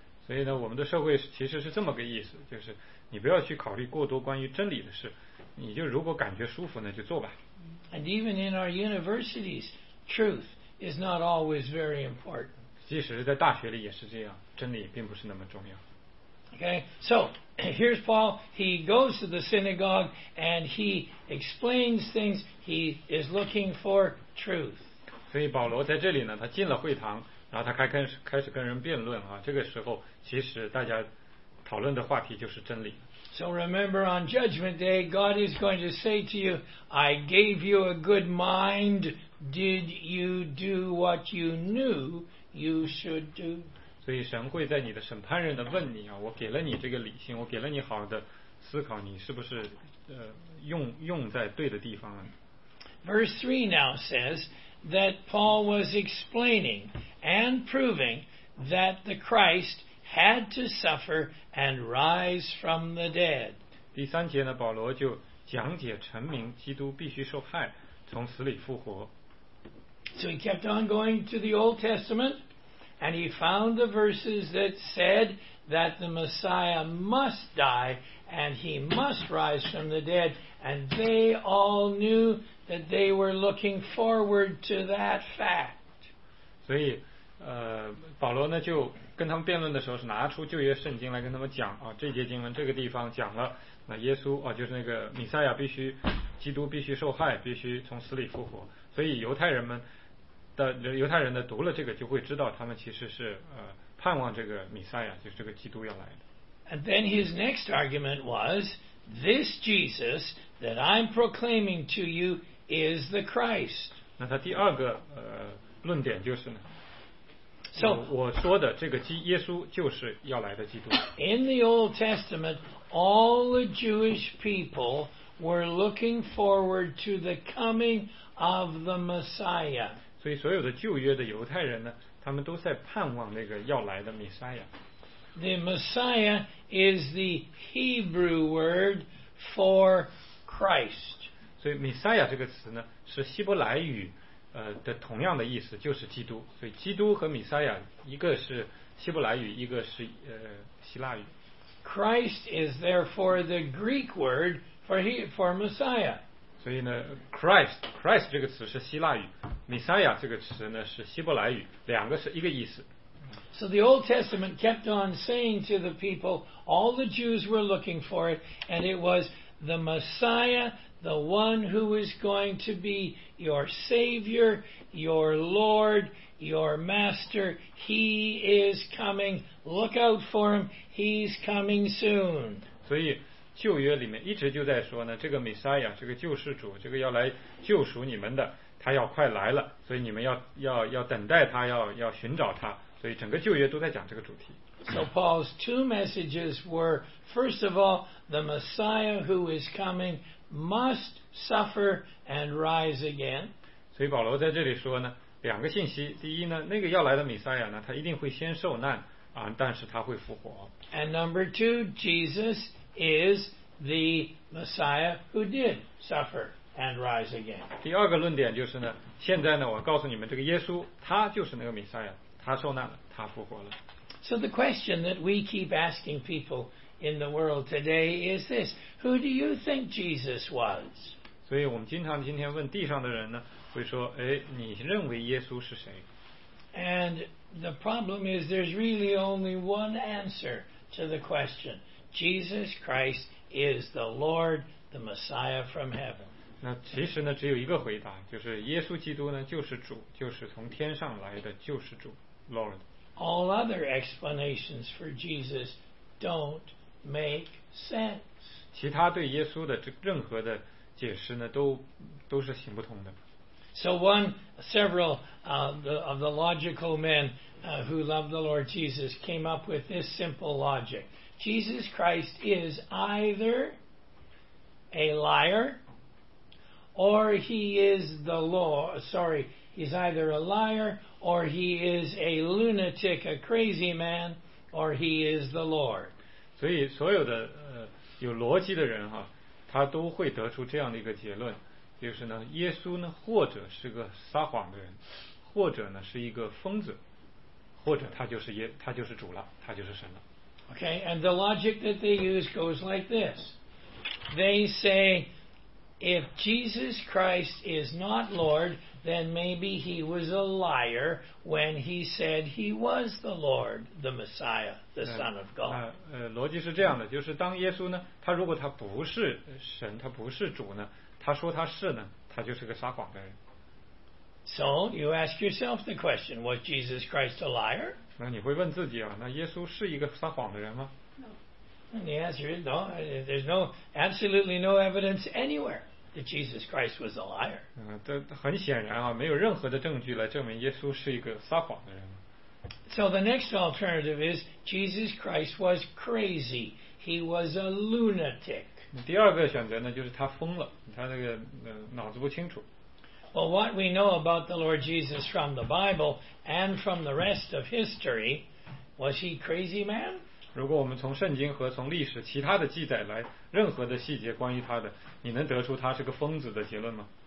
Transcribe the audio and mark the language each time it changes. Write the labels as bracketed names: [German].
[Chinese] 所以呢，我们的社会其实是这么个意思，就是你不要去考虑过多关于真理的事，你就如果感觉舒服呢，就做吧。 [English] And even in our universities, truth is not always very important. [Chinese] 即使是在大学里也是这样，真理并不是那么重要。 [English] Okay, so here's Paul. He goes to the synagogue and he explains things. He is looking for truth. [Chinese] 所以保罗在这里呢，他进了会堂，然后他开始跟人辩论啊。这个时候，其实大家讨论的话题就是真理。 [English] So remember, on Judgment Day, God is going to say to you, "I gave you a good mind. Did you do what you knew you should do?" [Chinese] 所以神会在你的审判日呢问你啊，我给了你这个理性，我给了你好的思考，你是不是用在对的地方啊？ [English] Verse 3 now says that Paul was explaining and proving that the Christ had to suffer and rise from the dead. [Chinese] 第三节呢，保罗就讲解陈明基督必须受害，从死里复活。 [English] So he kept on going to the Old Testament. And he found the verses that said that the Messiah must die and he must rise from the dead. And they all knew that they were looking forward to that fact. [Chinese] 所以保罗呢就跟他们辩论的时候是拿出旧约圣经来跟他们讲啊，这节经文这个地方讲了那耶稣啊，就是那个弥赛亚必须基督必须受害，必须从死里复活。所以犹太人们的犹太人呢，读了这个就会知道，他们其实是盼望这个弥赛亚，就是这个基督要来的。 [English] And then his next argument was, "This Jesus that I'm proclaiming to you is the Christ." [Chinese] 那他第二个论点就是呢，So 我说的这个耶稣就是要来的基督。 [English] In the Old Testament, all the Jewish people were looking forward to the coming of the Messiah. [Chinese] 所以所有的旧约的犹太人呢，他们都在盼望那个要来的弥赛亚。 [English] The Messiah is the Hebrew word for Christ. [Chinese] 所以弥赛亚这个词呢，是希伯来语的同样的意思，就是基督。所以基督和弥赛亚，一个是希伯来语，一个是希腊语。 [English] Christ is therefore the Greek word for Messiah. [Chinese] 所以呢 Christ 这个词是希腊语， Messiah 这个词呢是希伯来语，两个是一个意思。 [English] So the Old Testament kept on saying to the people, all the Jews were looking for it, and it was the Messiah, the one who is going to be your Savior, your Lord, your Master. He is coming. Look out for him. He's coming soon. [Chinese] 所以旧约里面一直就在说呢，这个 Messiah, 这个救世主，这个要来救赎你们的，他要快来了，所以你们要等待他，要寻找他。所以整个旧约都在讲这个主题。 [English] So Paul's two messages were, first of all, the Messiah who is coming must suffer and rise again. [Chinese] 所以保罗在这里说呢，两个信息，第一呢，那个要来的弥赛亚呢，他一定会先受难啊，但是他会复活。 [English] And number two, Jesus is the Messiah who did suffer and rise again. [Chinese] 第二个论点就是呢，现在呢，我告诉你们，这个耶稣他就是那个弥赛亚，他受难了，他复活了。 [English] So the question that we keep asking people in the world today is this: who do you think Jesus was? [Chinese] 所以我们经常今天问地上的人呢，会说，哎，你认为耶稣是谁？ [English] And the problem is there's really only one answer to the question: Jesus Christ is the Lord, the Messiah from heaven. [Chinese] 那其实呢，只有一个回答，就是耶稣基督呢，就是主，就是从天上来的救世主。 [English] Lord. All other explanations for Jesus don't make sense. [Chinese] 其他对耶稣的任何的解释呢，都是行不通的。 [English] So one, several of the logical men who loved the Lord Jesus came up with this simple logic. Jesus Christ is either a liar or he is the Lord. Sorry, he's either a liar or he is a lunatic, a crazy man, or he is the Lord. [Chinese] 所以所有的有逻辑的人哈，他都会得出这样的一个结论，就是呢，耶稣呢，或者是个撒谎的人，或者呢是一个疯子，或者他就是主了，他就是神了。 [English] Okay, and the logic that they use goes like this. They say, if Jesus Christ is not Lord, then maybe he was a liar when he said he was the Lord, the Messiah, the Son of God. [Chinese] 逻辑是这样的，就是当耶稣呢，他如果他不是神，他不是主呢，他说他是呢，他就是个撒谎的人。 [English] So you ask yourself the question: was Jesus Christ a liar? [Chinese] 那你会问自己啊，那耶稣是一个撒谎的人吗？ [English] And the answer is no. There's no, absolutely no evidence anywhere that Jesus Christ was a liar. [Chinese] 很显然啊，没有任何的证据来证明耶稣是一个撒谎的人。 [English] So the next alternative is Jesus Christ was crazy. He was a lunatic. [Chinese] 第二个选择呢，就是他疯了，他那个脑子不清楚。 [English] Well, what we know about the Lord Jesus from the Bible and from the rest of history, was he crazy man? [Chinese] 如果我们从圣经和从历史其他的记载来任何的细节关于他的，你能得出他是个疯子的结论吗？